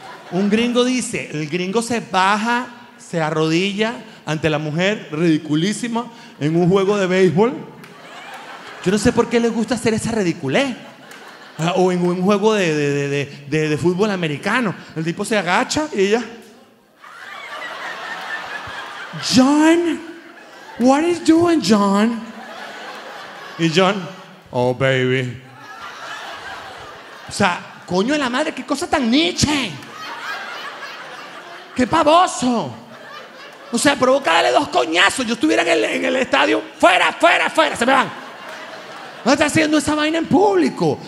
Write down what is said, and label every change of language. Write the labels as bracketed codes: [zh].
[es] Un gringo dice, el gringo se baja, se arrodilla ante la mujer, ridiculísima, en un juego de béisbol. Yo no sé por qué le gusta hacer esa ridiculez. O en un juego de fútbol americano. El tipo se agacha y ella... [en] John, what are you doing, John? Y John, oh, baby... [es] O sea, coño de la madre, qué cosa tan niche. Qué pavoso. O sea, provoca darle 2 coñazos. Yo estuviera en el estadio, fuera, se me van. No estás haciendo esa vaina en público.